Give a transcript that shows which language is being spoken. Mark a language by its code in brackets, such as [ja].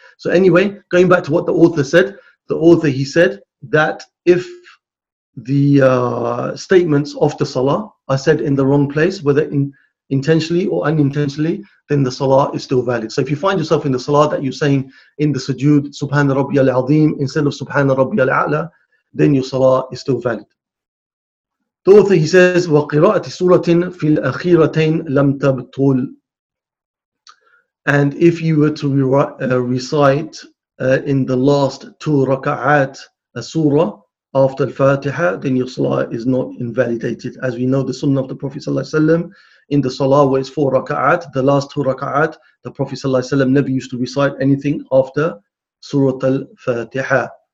[en] So anyway, going back to what the author said, that if the statements of the Salah are said in the wrong place, whether intentionally or unintentionally, then the Salah is still valid. So if you find yourself in the Salah that you're saying in the sujood, Subhana Rabbi al-Azim, instead of Subhana Rabbi al-A'la, then your Salah is still valid. The author, he says, [ar] وَقِرَاءَةِ سُورَةٍ فِي الْأَخِيرَتَيْنِ لَمْ تَبْطُلْ. [en] And if you were to recite in the last two raka'at, a surah after al-Fatiha, then your salah is not invalidated. As we know, the sunnah of the Prophet ﷺ in the salah where it's four raka'at, the last two raka'at, the Prophet ﷺ never used to recite anything after surah al-Fatiha.